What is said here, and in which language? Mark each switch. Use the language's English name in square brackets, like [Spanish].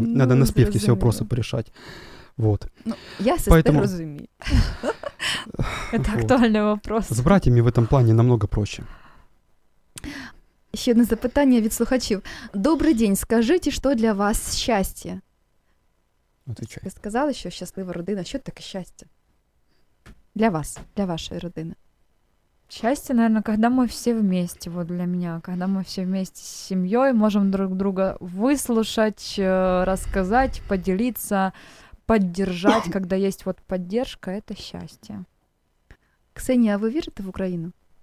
[Russian] Надо на спевке все вопросы порешать. Вот. Я сестер разумею. Это актуальный вопрос. С братьями в этом плане намного проще. [Ukrainian] Еще одно запитание от слухачів. [Russian] Добрый день, скажите, что для вас счастье? Отвечай. [Ukrainian] Ви сказали, що щаслива родина. Що таке щастя? Для вас, для вашої родини. [Russian] Счастье, наверное, когда мы все вместе, вот для меня, когда мы все вместе с семьей можем друг друга выслушать, рассказать, поделиться, поддержать, когда есть вот поддержка, это счастье. Ксения, а вы верите в Украину?